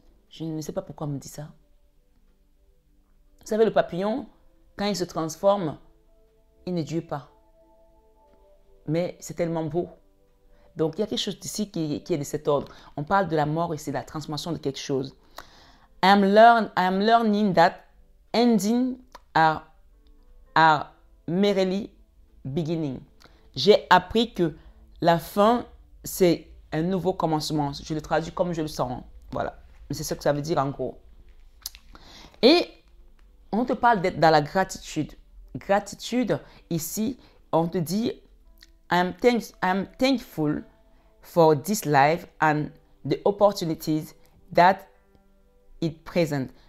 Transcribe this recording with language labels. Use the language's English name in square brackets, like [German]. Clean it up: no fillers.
[French] Je ne sais pas pourquoi on me dit ça. Vous savez, le papillon, quand il se transforme, il ne dure pas. Mais c'est tellement beau. Donc, il y a quelque chose ici qui est de cet ordre. On parle de la mort ici, de la transformation de quelque chose. [English] I am learning that ending are merely beginning. [French] J'ai appris que la fin, c'est un nouveau commencement. Je le traduis comme je le sens. Voilà. Mais c'est ce que ça veut dire en gros. Et on te parle d'être dans la gratitude. Gratitude, ici, on te dit [English] I'm thankful for this life and the opportunities that it presents.